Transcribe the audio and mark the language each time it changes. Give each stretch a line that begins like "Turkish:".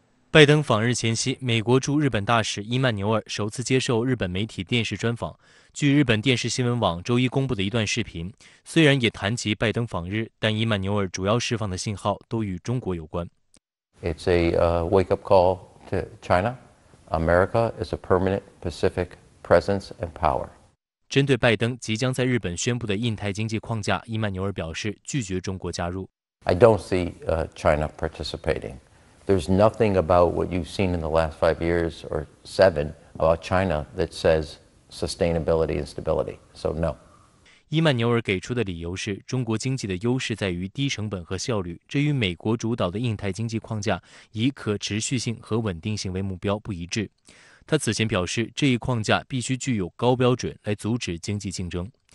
Chinese: 拜登访日前夕，美国驻日本大使伊曼纽尔首次接受日本媒体电视专访。据日本电视新闻网周一公布的一段视频，虽然也谈及拜登访日，但伊曼纽尔主要释放的信号都与中国有关。
English: It's a wake-up call to China. America is a permanent Pacific presence and power.
Chinese: 针对拜登即将在日本宣布的印太经济框架，伊曼纽尔表示拒绝中国加入。
English: I don't see China participating. There's nothing about what you've seen in the last 5 years or seven about China that says sustainability and stability. So no.
Chinese: 伊曼纽尔给出的理由是，中国经济的优势在于低成本和效率，这与美国主导的印太经济框架以可持续性和稳定性为目标不一致。他此前表示，这一框架必须具有高标准来阻止经济竞争。